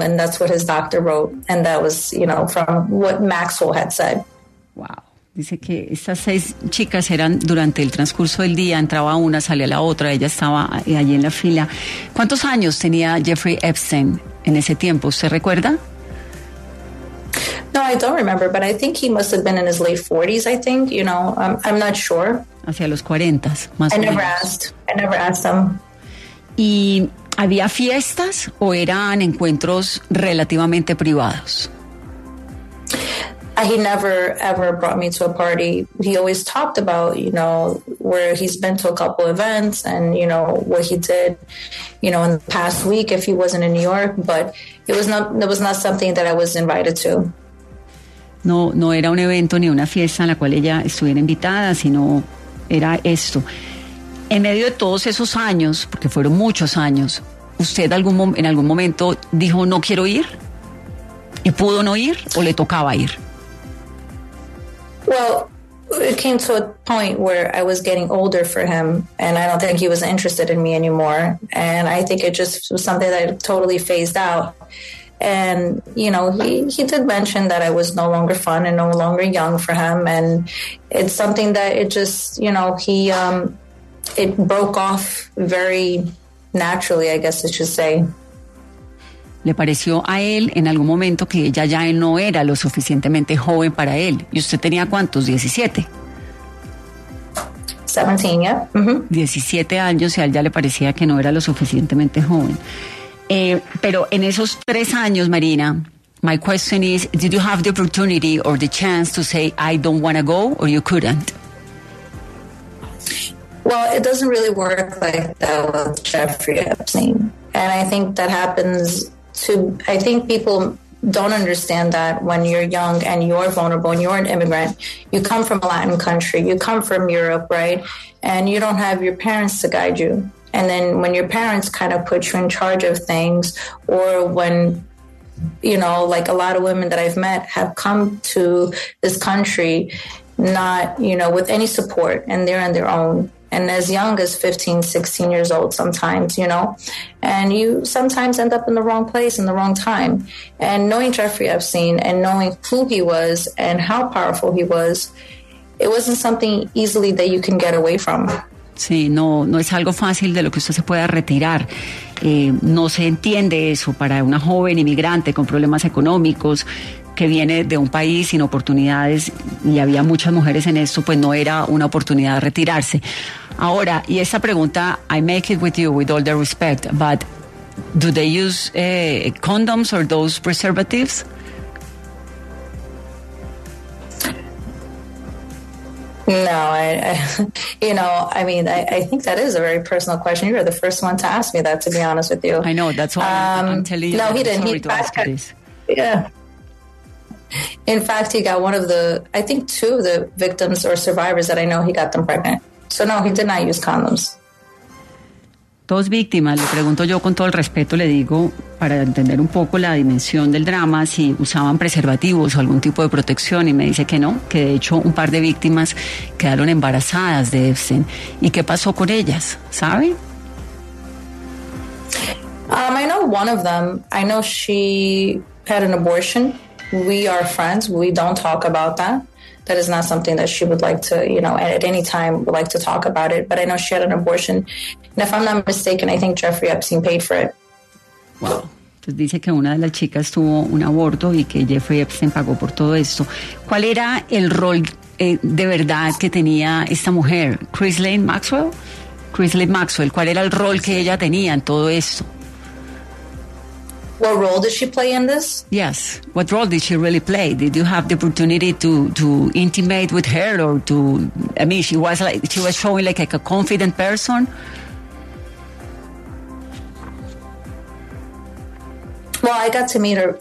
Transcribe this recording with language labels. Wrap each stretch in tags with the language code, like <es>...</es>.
<en>And that's what his doctor wrote. And that was, from what Maxwell had said. Wow.</en> <es>Dice que estas 6 chicas eran durante el transcurso del día, entraba una, salía la otra, ella estaba allí en la fila. ¿Cuántos años tenía Jeffrey Epstein en ese tiempo? ¿Usted recuerda?</es> <en>No, I don't remember, but I think he must have been in his late 40s, I think, I'm not sure.</en> <es>Hacia los 40, más o menos.</es> <en>I never asked him.</en> <es>¿Y había fiestas o eran encuentros relativamente privados?</es> <en>He never, ever brought me to a party. He always talked about, where he's been to a couple events and, what he did, in the past week if he wasn't in New York, but it was not something that I was invited to.</en> <es>No era un evento ni una fiesta a la cual ella estuviera invitada, sino era esto. En medio de todos esos años, porque fueron muchos años, ¿usted en algún momento dijo no quiero ir? ¿Y pudo no ir o le tocaba ir?</es> <en>Well, it came to a point where I was getting older for him, and I don't think he was interested in me anymore. And I think it just was something that I totally phased out. And, he did mention that I was no longer fun and no longer young for him. And it's something that it just, it broke off very naturally, I guess I should say.</en> <es>¿Le pareció a él en algún momento que ella ya no era lo suficientemente joven para él? ¿Y usted tenía cuántos? 17.</es> <en>17, yeah. Mm-hmm.</en> <es>17 años, y a él ya le parecía que no era lo suficientemente joven. Pero en esos 3 años,</es> <en>Marina, my question is, did you have the opportunity or the chance to say, I don't want to go, or you couldn't? Well, it doesn't really work like that with Jeffrey Epstein. And I think that happens to, I think people don't understand that when you're young and you're vulnerable and you're an immigrant, you come from a Latin country, you come from Europe, right? And you don't have your parents to guide you. And then when your parents kind of put you in charge of things, or when, like a lot of women that I've met have come to this country, not, with any support, and they're on their own. And as young as 15, 16 years old, sometimes, and you sometimes end up in the wrong place in the wrong time. And knowing Jeffrey Epstein and knowing who he was and how powerful he was, it wasn't something easily that you can get away from.</en> <es>Sí, no es algo fácil de lo que usted se pueda retirar. No se entiende eso para una joven inmigrante con problemas económicos que viene de un país sin oportunidades, y había muchas mujeres en esto, pues no era una oportunidad de retirarse. Ahora, y esa pregunta,</es> <en>I make it with you with all the respect, but do they use condoms or those preservatives? No, I think that is a very personal question. You're the first one to ask me that, to be honest with you. I know, that's why I'm telling you. No, he didn't. In fact, he got two of the victims or survivors that I know, he got them pregnant. So no, he did not use condoms.</en> <es>2 víctimas, le pregunto yo con todo el respeto, le digo, para entender un poco la dimensión del drama, si usaban preservativos o algún tipo de protección, y me dice que no, que de hecho un par de víctimas quedaron embarazadas de Epstein. ¿Y qué pasó con ellas? ¿Sabe?</es> <en>I know one of them. I know she had an abortion. We are friends. We don't talk about that. That is not something that she would like to, at any time would like to talk about it. But I know she had an abortion. And if I'm not mistaken, I think Jeffrey Epstein paid for it. Wow.</en> <es>Entonces dice que una de las chicas tuvo un aborto y que Jeffrey Epstein pagó por todo esto. ¿Cuál era el rol de verdad que tenía esta mujer, Ghislaine Maxwell. Ghislaine Maxwell, ¿cuál era el rol que ella tenía en todo esto?</es> <en>What role did she play in this? Yes. What role did she really play? Did you have the opportunity to intimate with her or to? I mean, she was like she was showing like a confident person. Well, I got to meet her.</en>